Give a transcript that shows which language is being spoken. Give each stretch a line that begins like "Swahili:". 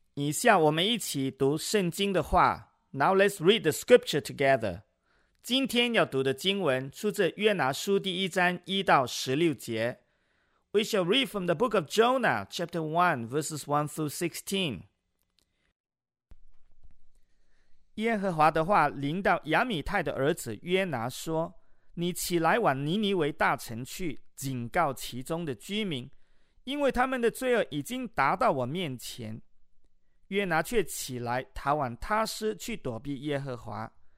Chinese: 下我们一起读圣经的话。
English: Now let's read the scripture together.
Chinese: 今天要读的经文出自约拿书第一章一到十六节。
English: We shall read from the book of Jonah, chapter 1, verses 1 through 16.
Chinese: 耶和华的话临到亚米泰的儿子约拿说，你起来往尼尼微大城去，警告其中的居民，因为他们的罪恶已经达到我面前。约拿却起来逃往他斯去躲避耶和华。